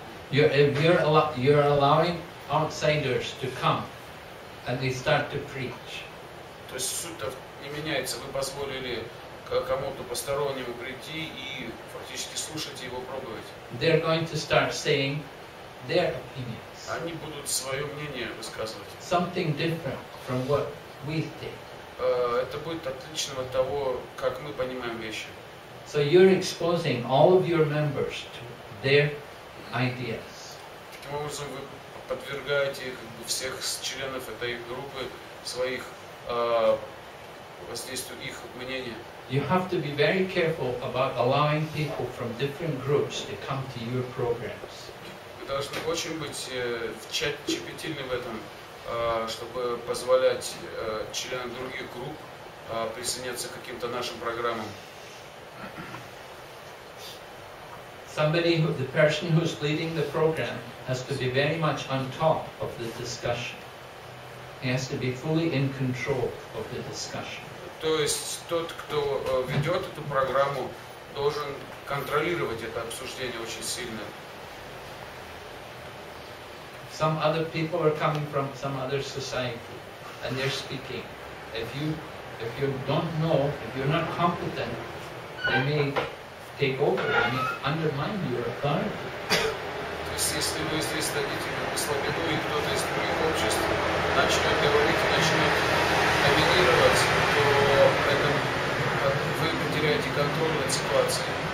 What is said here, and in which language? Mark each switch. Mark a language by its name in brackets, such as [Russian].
[English] You're allowing outsiders to come, and they start to preach. [Russian] То есть суть-то не меняется. Вы позволили кому-то постороннему прийти и фактически слушать его, пробовать. [English] They're going to start saying their opinions. [Russian] Они будут свое мнение высказывать. [English] Something different from what. [Russian] Это будет отличным от того, как мы понимаем вещи. [English] So you're exposing all of your members to their ideas. [Russian] Таким образом, вы подвергаете как бы всех членов этой группы своих воздействию их мнения. [English] You have to be very careful about allowing people from different groups to come to your programs. [Russian] Вы должны очень быть чепетильны в этом. Чтобы позволять членам других групп присоединяться к каким-то нашим программам. [English] Somebody, the person who's leading the program, has to be very much on top of the discussion. He has to be fully in control of the discussion. [Russian] То есть тот, кто ведет эту программу, должен контролировать это обсуждение очень сильно. [English] Some other people are coming from some other society, and they're speaking. If you don't know, if you're not competent, they may take over and undermine your authority. [Russian] То есть если вы здесь дадите слабину, и кто-то из других обществ начнет говорить, начнет доминировать, то это вы потеряете контроль над ситуацией.